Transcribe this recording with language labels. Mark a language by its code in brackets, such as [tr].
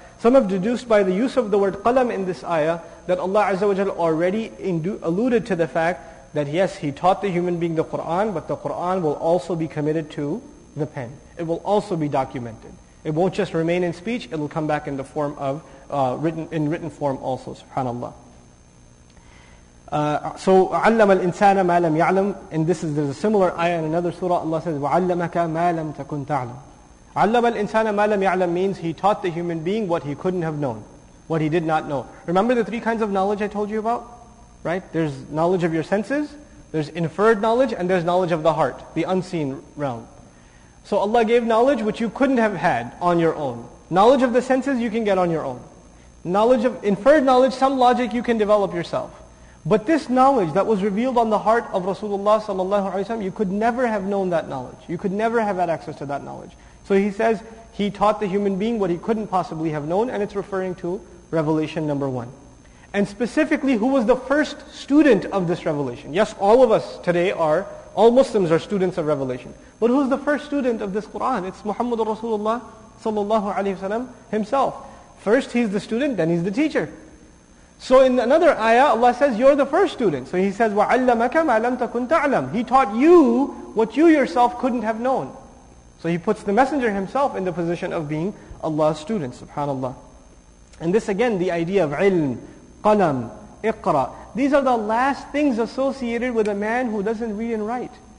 [en] Some have deduced by the use of the word qalam in this ayah that Allah Azza wa Jalla already alluded to the fact that yes, He taught the human being the Qur'an, but the Qur'an will also be committed to the pen. It will also be documented. It won't just remain in speech, it will come back in the form of written form also, subhanAllah. [ar] So عَلَّمَ الْإِنسَانَ مَا لَمْ يَعْلَمْ. [en] And this is, there's a similar ayah in another surah. Allah says [ar] وَعَلَّمَكَ مَا لَمْ تَكُنْ تَعْلَمْ. عَلَّمَ الْإِنسَانَ مَا لَمْ يَعْلَمْ [en] means He taught the human being what he couldn't have known, what he did not know. Remember the three kinds of knowledge I told you about? Right? There's knowledge of your senses, there's inferred knowledge, and there's knowledge of the heart, the unseen realm. So Allah gave knowledge which you couldn't have had on your own. Knowledge of the senses you can get on your own. Knowledge of inferred knowledge, some logic you can develop yourself. But this knowledge that was revealed on the heart of Rasulullah sallallahu alaihi wasallam, you could never have known that knowledge. You could never have had access to that knowledge. So he says, he taught the human being what he couldn't possibly have known, and it's referring to revelation number one. And specifically, who was the first student of this revelation? Yes, all of us today are, all Muslims are students of revelation. But who's the first student of this Qur'an? It's Muhammad Rasulullah sallallahu alaihi wasallam himself. First he's the student, then he's the teacher. So in another ayah, Allah says, you're the first student. So He says, [ar] وَعَلَّمَكَ مَا لَمْ تَكُنْ تَعْلَمْ. [en] He taught you what you yourself couldn't have known. So He puts the Messenger Himself in the position of being Allah's student, subhanAllah. And this again, the idea of ilm, qalam, iqra. These are the last things associated with a man who doesn't read and write.